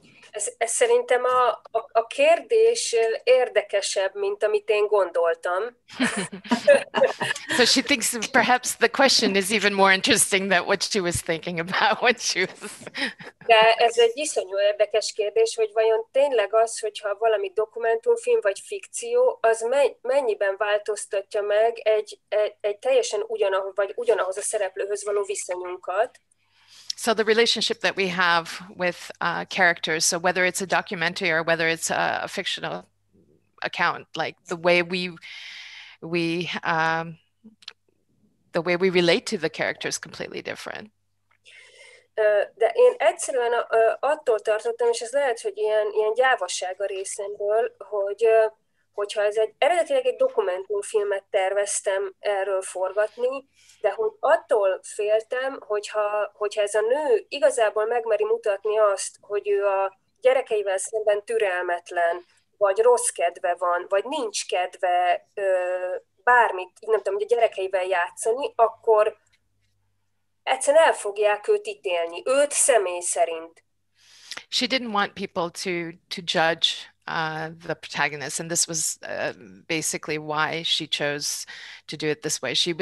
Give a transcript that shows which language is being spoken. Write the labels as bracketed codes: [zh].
[hu] Ez szerintem a kérdés érdekesebb, mint amit én gondoltam. [en] So she thinks perhaps the question is even more interesting than what she was thinking about when she was... [hu] De ez egy iszonyú érdekes kérdés, hogy vajon tényleg az, hogyha valami dokumentumfilm vagy fikció, az mennyiben változtatja meg egy teljesen ugyanahoz, vagy ugyanahoz a szereplőhöz való viszonyunkat. [en] So the relationship that we have with characters, so whether it's a documentary or whether it's a fictional account, like the way we relate to the characters completely different. [hu] De én egyszerűen attól tartottam, és ez lehet, hogy ilyen gyávaság a részemből, hogyha ez eredetileg egy dokumentumfilmet terveztem erről forgatni, de hogy attól féltem, hogyha ez a nő igazából megmeri mutatni azt, hogy ő a gyerekeivel szemben türelmetlen, vagy rossz kedve van, vagy nincs kedve bármit, nem tudom, hogy a gyerekeivel játszani, akkor egyszerűen el fogják őt ítélni, őt személy szerint. [en] She didn't want people to judge the protagonist, and this was basically why she chose to do it this way.